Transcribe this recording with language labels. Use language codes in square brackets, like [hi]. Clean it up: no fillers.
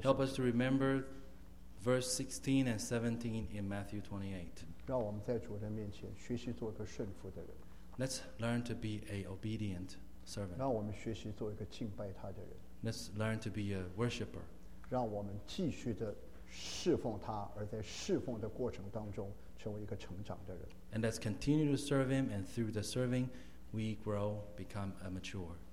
[en] help us to remember verse 16 and 17 in Matthew 28. [zh] 让我们在主的面前学习做一个顺服的人, [en] let's learn to be an obedient servant. [zh] 让我们学习做一个敬拜他的人, [en] let's learn to be a worshiper. [zh] 让我们继续的侍奉他,而在侍奉的过程当中成为一个成长的人, [en] and let's continue to serve him, and through the serving we grow, become a mature.